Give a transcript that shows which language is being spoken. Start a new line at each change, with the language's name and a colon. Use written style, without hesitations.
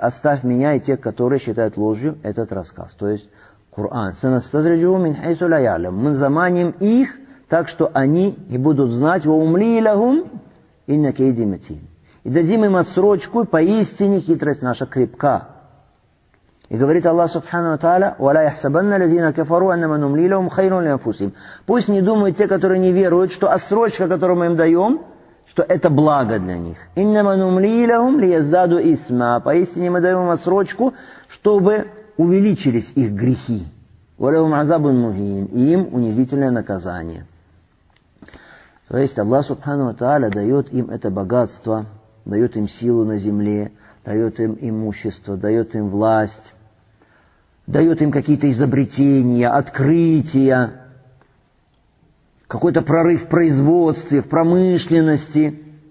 Russian: Оставь меня и тех, которые считают ложью этот рассказ. То есть Коран.
Arabic: Санастаджиу мин хайсу ля яалам.
Russian: Мы заманим их так, что они и будут знать.
Arabic: Ва умли лахум инна кайди матин.
Russian: И дадим им отсрочку, поистине хитрость наша крепка. И говорит Аллах Субхану ва Тааля:
Arabic: وَلَا يَحْسَبَنَّ الَّذِينَ كَفَرُوا أَنَّمَا نُمْلِي لَهُمْ خَيْرٌ لِأَنفُسِهِمْ.
Russian: Пусть не думают те, которые не веруют, что отсрочка, которую мы им даем, что это благо для них.
Arabic: إِنَّمَا نُمْلِي لَهُمْ لِيَزْدَادُوا إِثْمًا.
Russian: Поистине мы даем им отсрочку, чтобы увеличились их грехи.
Arabic: وَلَهُمْ عَذَابٌ مُهِينٌ.
Russian: И им унизительное наказание. То есть Аллах Субхану ва Тааля дает им это богатство, дает им силу на земле, дает им имущество, дает им власть, дает им какие-то изобретения, открытия, какой-то прорыв в производстве, в промышленности.